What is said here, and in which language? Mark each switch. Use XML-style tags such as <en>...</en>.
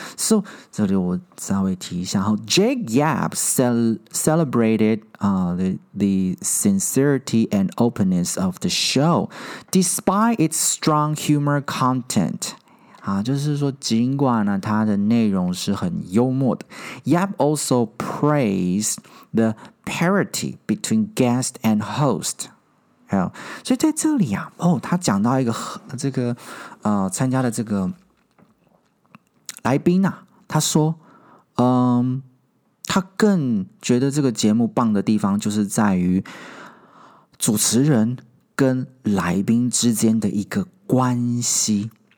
<en>So</en> <zh>这里我稍微提一下，好</zh> <en>，Jake Yap celebrated the sincerity and openness of the show despite its strong humor content。</en> <zh>就是说尽管呢它的内容是很幽默的。</zh> <en>Yap also praised the parity between guest and host。</en> <zh>所以在这里啊他讲到一个这个参加的这个来宾啊，他说他更觉得这个节目棒的地方就是在于主持人跟来宾之间的一个关系。</zh>